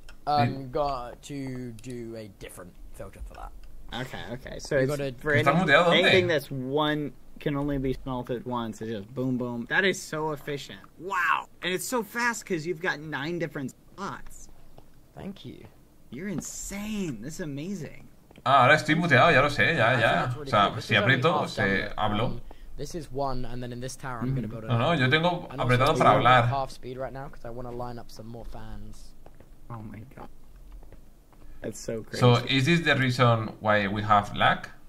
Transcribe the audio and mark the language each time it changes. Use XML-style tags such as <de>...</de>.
<en>I'm got to do a different filter for that. Okay. So anything that's one can only be smelted once. It's just boom, boom. That is so efficient. Wow. And it's so fast because you've got 9 different spots. Thank you. You're insane. This is amazing.</en> <es>Ah, ahora estoy muteado, ya lo sé, ya, ya. O sea, si aprieto, se hablo.</es> <en>This is one, and then in this tower, I'm gonna build</en> <es>No, yo tengo apretado para hablar.</es> <en>Half speed right now, because I want to line up some more fans. Oh my god. That's so crazy. So is this the reason why we have lag?</en>